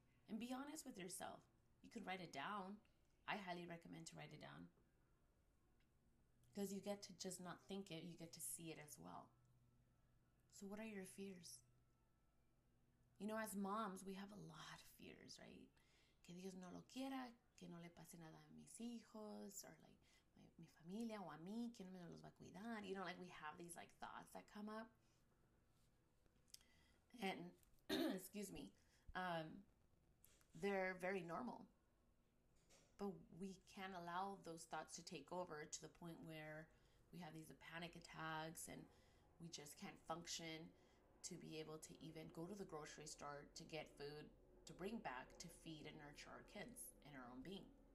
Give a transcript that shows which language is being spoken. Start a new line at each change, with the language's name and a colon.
English: And be honest with yourself. You can write it down. I highly recommend to write it down. Because you get to just not think it, you get to see it as well. So what are your fears? You know, as moms, we have a lot of fears, right?
Spanish: Que Dios no lo quiera, que no le pase nada a mis hijos,
English: or like,
Spanish: mi familia o a mí, que no me los va a cuidar.
English: You know, like, we have these, like, thoughts that come up. And, excuse me, they're very normal. But we can't allow those thoughts to take over to the point where we have these panic attacks and we just can't function to be able to even go to the grocery store to get food to bring back to feed and nurture our kids and our own being.